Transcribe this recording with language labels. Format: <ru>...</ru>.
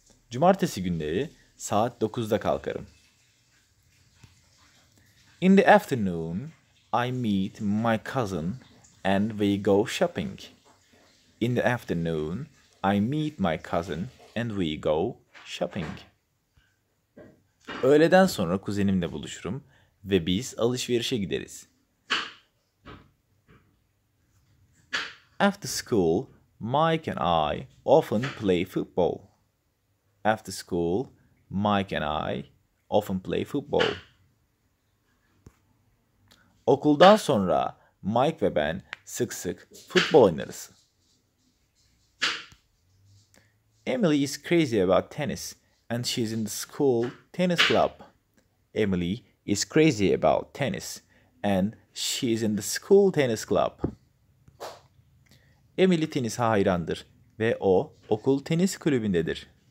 <tr>Cumartesi günleri saat 9'da kalkarım.</tr> <en>In the afternoon, I meet my cousin and we go shopping. In the afternoon, I meet my cousin and we go shopping.</en> <tr>Öğleden sonra kuzenimle buluşurum ve biz alışverişe gideriz.</tr> <en>After school, Mike and I often play football. After school, Mike and I often play football.</en> <tr>Okuldan sonra Mike ve ben sık sık futbol oynarız.</tr> <en>Emily is crazy about tennis and she's in the school tennis club. Emily is crazy about tennis and she's in the school tennis club.</en> <tr>Emily tenise hayrandır ve o okul tenis kulübündedir.</tr>